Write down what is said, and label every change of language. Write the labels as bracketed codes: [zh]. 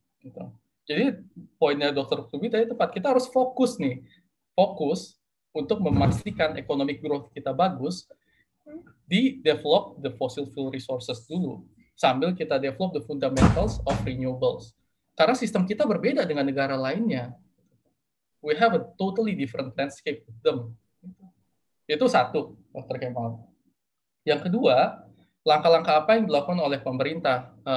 [id] Gitu. Jadi poinnya Dr. Kurtubi tadi tepat, kita harus fokus nih. Fokus untuk memastikan economic growth kita bagus, di [en] develop the fossil fuel resources [id] dulu, sambil kita [en] develop the fundamentals of renewables. [id] Karena sistem kita berbeda dengan negara lainnya. [en] We have a totally different landscape with them. [id] Itu satu, Dr. Kemal. Yang kedua, langkah-langkah apa yang dilakukan oleh pemerintah?